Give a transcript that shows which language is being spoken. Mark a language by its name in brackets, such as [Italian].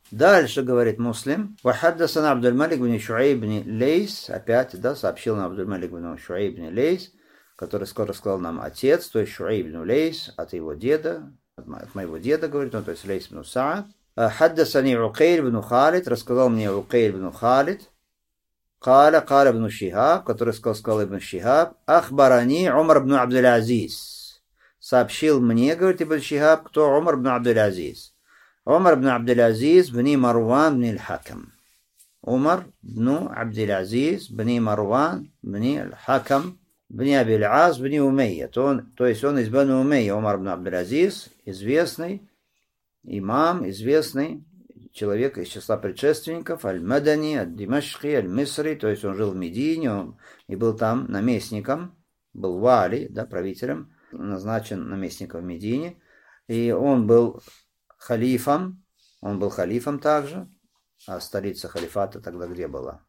[Russian] Дальше говорит муслим. [Arabic] وَحَدَّثَنَا عَبْدُ الْمَلِكِ بْنِ شُعَيْبِ بْنِ لَيْسِ. [Russian] Опять, да, сообщил нам عَبْدُ الْمَلِكِ بْنِ شُعَيْبِ بْنِ لَيْسِ, который скоро сказал нам отец, то есть شُعَيْبِ بْنُ لَيْسِ, от его деда, от моего деда, говорит он, то есть لَيْسِ بْنُ سَعَدْ. [Arabic] حَدَّثَنِي عُقَيْلِ بْنُ خَالِدْ. [Russian] Рассказал мне [Arabic] عُقَيْلِ بْنُ خَالِدْ. قال قال ابن شهاب, [Russian] который сказал [Arabic] ابن شهاب, اخبرني عمر بن عبد العزيز, [Russian] сообщил мне, говорит [Arabic] ابن شهاب, [Russian] кто [Arabic] عمر بن عبد العزيز. عمر بن عبد العزيز بن مروان بن الحكم. عمر بن عبد العزيز بن مروان بن الحكم بن ابي العاص بن اميه, [Russian] то есть он из бану умейя. عمر بن عبد العزيز, известный имам, известный человек из числа предшественников, Аль-Мадани, Аль-Димашхи, Аль-Мисри, то есть он жил в Медине, и был там наместником, был вали, да, правителем, назначен наместником в Медине, и он был халифом также, а столица халифата тогда где была?